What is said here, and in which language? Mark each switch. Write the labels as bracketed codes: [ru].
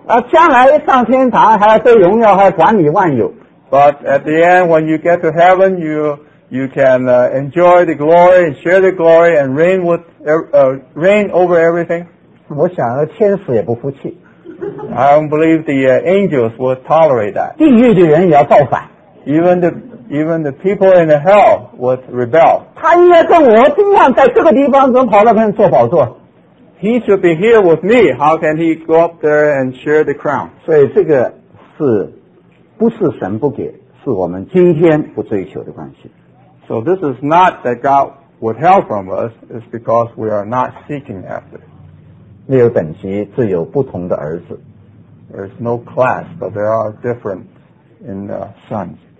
[zh] 啊，将来上天堂还要得荣耀，还要管理万有。 [en] But at the end, when you get to heaven, you can enjoy the glory and share the glory and reign over everything. [zh] 我想天使也不服气。 [en] I don't believe the angels will tolerate that. [zh] 地狱的人也要造反。 [en] Even the people in the hell would rebel. [zh] 他应该跟我一样在这个地方能跑到那边坐宝座。 [en] He should be here with me. How can he go up there and share the crown? [zh] 所以这个是不是神不给，是我们今天不追求的关系。 [en] So this is not that God withheld from us, it's because we are not seeking after. [zh] 没有等级，只有不同的儿子。 [en] There is no class, but there are different in the sons.